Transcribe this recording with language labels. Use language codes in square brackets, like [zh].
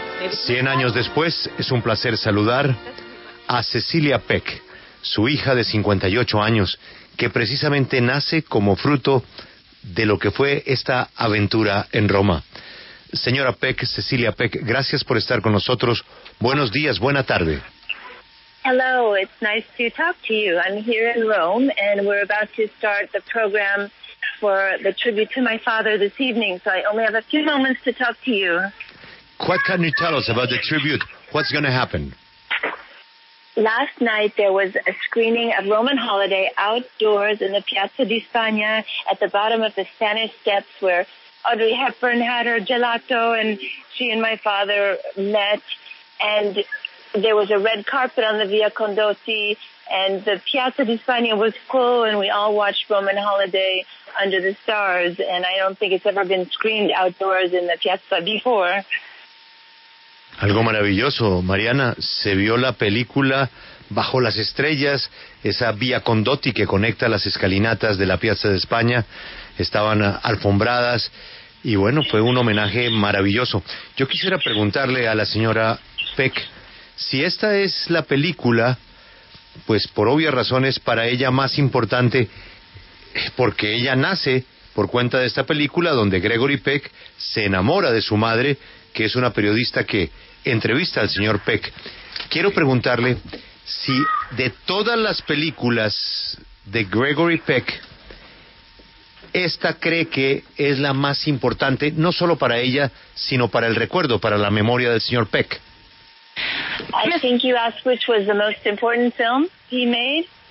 [es] 100 años después, es un placer saludar a Cecilia Peck, su hija de 58 años, que precisamente nace como fruto de lo que fue esta aventura en Roma. Señora Peck, Cecilia Peck, gracias por estar con nosotros. Buenos días, buena tarde. [en] Hello, it's nice to talk to you. I'm here in Rome, and we're about to start the program for the tribute to my father this evening, so I only have a few moments to talk to you. What can you tell us about the tribute? What's going to happen? Last night, there was a screening of Roman Holiday outdoors in the Piazza di Spagna at the bottom of the Spanish Steps, where Audrey Hepburn had her gelato, and she and my father met, and there was a red carpet on the Via Condotti, and the Piazza di Spagna was full, and we all watched Roman Holiday under the stars, and I don't think it's ever been screened outdoors in the Piazza before. [es] Algo maravilloso, Mariana. Se vio la película bajo las estrellas, esa Via Condotti que conecta las escalinatas de la Piazza de España. Estaban alfombradas, y bueno, fue un homenaje maravilloso. Yo quisiera preguntarle a la señora Peck, si esta es la película, pues por obvias razones para ella más importante, porque ella nace por cuenta de esta película donde Gregory Peck se enamora de su madre, que es una periodista que entrevista al señor Peck. Quiero preguntarle si de todas las películas de Gregory Peck, esta cree que es la más importante, no solo para ella, sino para el recuerdo, para la memoria del señor Peck. [en] I think you asked which was the most important film he made.